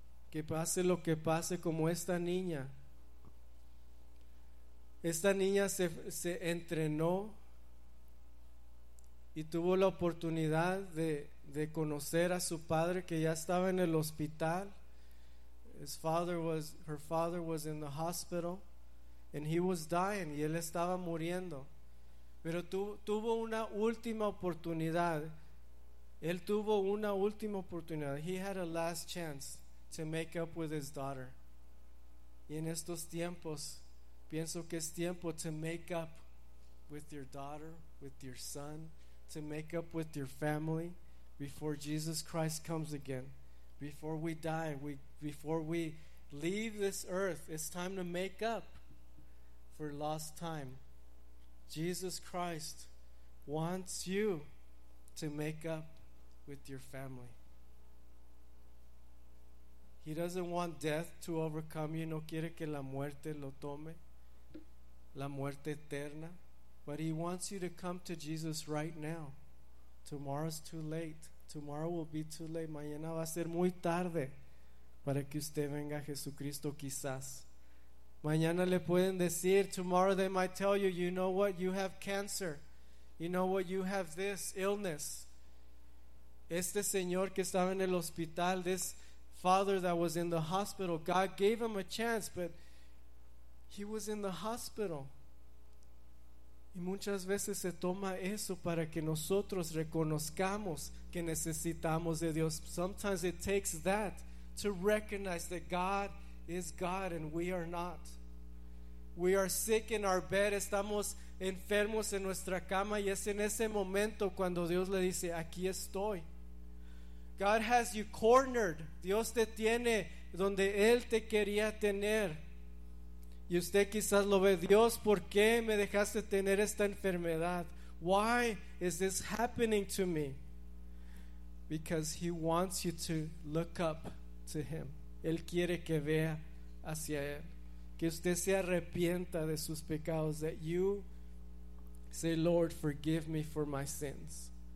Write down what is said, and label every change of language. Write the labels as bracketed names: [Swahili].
[Spanish] Que pase lo que pase, como esta niña. Esta niña se entrenó y tuvo la oportunidad de conocer a su padre que ya estaba en el hospital. [English] Her father was in the hospital and he was dying, [Spanish] y él estaba muriendo. Pero tuvo una última oportunidad. Él tuvo una última oportunidad. [English] He had a last chance to make up with his daughter. [Spanish] Y en estos tiempos, pienso que es tiempo [English] to make up with your daughter, with your son, to make up with your family before Jesus Christ comes again. Before we die, before we leave this earth, it's time to make up for lost time. Jesus Christ wants you to make up with your family. He doesn't want death to overcome you. [Spanish] No quiere que la muerte lo tome, la muerte eterna. [English] But he wants you to come to Jesus right now. Tomorrow's too late. Tomorrow will be too late. [Spanish] Mañana va a ser muy tarde para que usted venga a Jesucristo, quizás. Mañana le pueden decir, [English] tomorrow they might tell you, you know what, you have cancer. You know what, you have this illness. [Spanish] Este señor que estaba en el hospital, [English] this father that was in the hospital, God gave him a chance, but he was in the hospital. [Spanish] Y muchas veces se toma eso para que nosotros reconozcamos que necesitamos de Dios. [English] Sometimes it takes that to recognize that God is God and we are not. We are sick in our bed. [Spanish] Estamos enfermos en nuestra cama, y es en ese momento cuando Dios le dice, aquí estoy. [English] God has you cornered. [Spanish] Dios te tiene donde Él te quería tener. Y usted quizás lo ve, Dios, ¿por qué me dejaste tener esta enfermedad? [English] Why is this happening to me? Because He wants you to look up to Him. [Spanish] Él quiere que vea hacia Él, que usted se arrepienta de sus pecados. [English] That you say, Lord, forgive me for my sins.